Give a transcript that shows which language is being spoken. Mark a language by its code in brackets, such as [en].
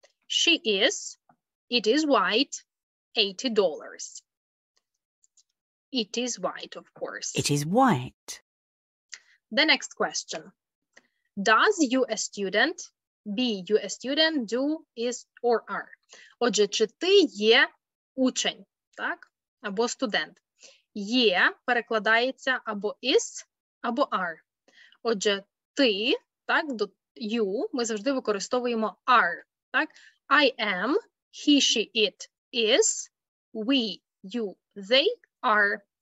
[en] She is, it is white, $80. It is white, of course. It is white. The next question. Does you a student, be you a student, do, is, or are? [uk] Отже, чи ти є учень, так? Або студент. Є перекладається або is, або are. Отже, ти, так, до you, ми завжди використовуємо are, так? [en] I am, he, she, it, is, we, you, they, are.